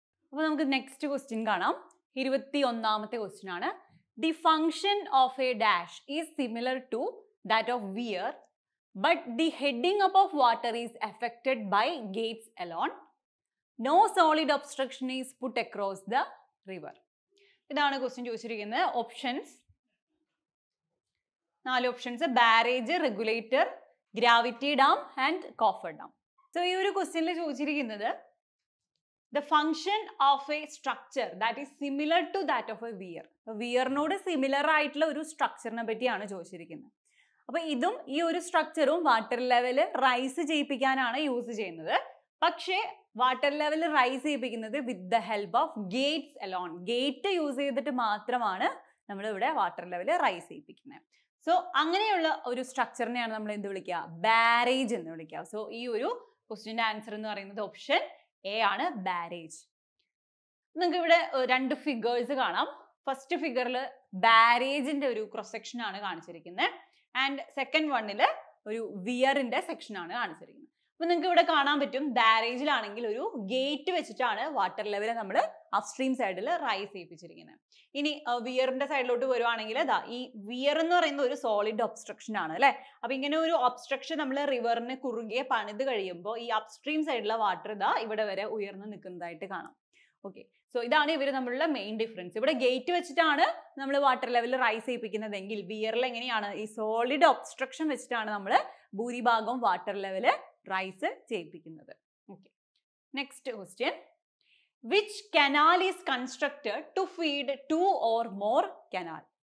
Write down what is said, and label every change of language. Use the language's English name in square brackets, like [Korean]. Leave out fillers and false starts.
[Malayalam] അപ്പൊ നമുക്ക് next question കാണാം. 21-ാമത്തെ ക്വസ്റ്റ്യൻ ആണ്, [English] The function of a dash is similar to that of weir, but the heading up of water is effected by gates alone, no solid obstruction is put across the river. [Malayalam] ഇതാണ് question ചോദിച്ചിരിക്കുന്നത്. Options, നാല് options: barrage, regulator, gravity dam and coffer dam. So ഈ ഒരു ക്വസ്റ്റ്യനിൽ ചോദിച്ചിരിക്കുന്നത് [English] the function of a structure that is similar to that of a weir. [Malayalam] Weir node similar aayittulla oru structure ne pettiyaanu choichirikkunnu. Appo idum ee oru structure um water level rise cheyipikkanaanu use cheynathu. Pakshe water level rise cheyipikkunnathu with the help of gates alone. Gate use cheyidittu maatramaanu nammal ivide water level rise cheyipikkunnathu. So anganeyulla oru structure ne aanu nammal endu vilikka, barrage ennu vilikka. So ee oru question inde answer ennu parayunnathu option A ആണ്, barrage. നിങ്ങൾക്ക് ഇവിടെ രണ്ട് figures കാണാം. First ഫിഗറിൽ ബാരേജിന്റെ ഒരു cross section ആണ് കാണിച്ചിരിക്കുന്നത്, and second വണ്ണിൽ ഒരു വിയറിന്റെ സെക്ഷൻ ആണ് കാണിച്ചിരിക്കുന്നത്. അപ്പൊ നിങ്ങൾക്ക് ഇവിടെ കാണാൻ പറ്റും, ബാരേജിലാണെങ്കിൽ ഒരു ഗേറ്റ് വെച്ചിട്ടാണ് വാട്ടർ ലെവൽ നമ്മൾ അപ്സ്ട്രീം സൈഡിൽ റൈസ് ചെയ്യിപ്പിച്ചിരിക്കുന്നത്. ഇനി വിയറിന്റെ സൈഡിലോട്ട് വരുവാണെങ്കിൽ അതാ ഈ വിയർ എന്ന് പറയുന്ന ഒരു സോളിഡ് ഒബ്സ്ട്രക്ഷൻ ആണ് അല്ലെ. അപ്പൊ ഇങ്ങനെ ഒരു ഒബ്സ്ട്രക്ഷൻ നമ്മൾ റിവറിന് കുറുകെ പണിത് കഴിയുമ്പോൾ ഈ അപ്സ്ട്രീം സൈഡിലെ വാട്ടർ ഇതാ ഇവിടെ വരെ ഉയർന്ന് നിൽക്കുന്നതായിട്ട് കാണാം. ഓക്കെ, സോ ഇതാണ് ഇവർ തമ്മിലുള്ള മെയിൻ ഡിഫറൻസ്. ഇവിടെ ഗേറ്റ് വെച്ചിട്ടാണ് നമ്മൾ വാട്ടർ ലെവൽ റൈസ് ചെയ്യിപ്പിക്കുന്നതെങ്കിൽ വിയറിൽ എങ്ങനെയാണ്, ഈ സോളിഡ് ഒബ്സ്ട്രക്ഷൻ വെച്ചിട്ടാണ് നമ്മൾ ഭൂരിഭാഗം water level rice ചെയ്യിപ്പിക്കുന്നത്. [English] Okay, next question, which canal is constructed to feed two or more canal?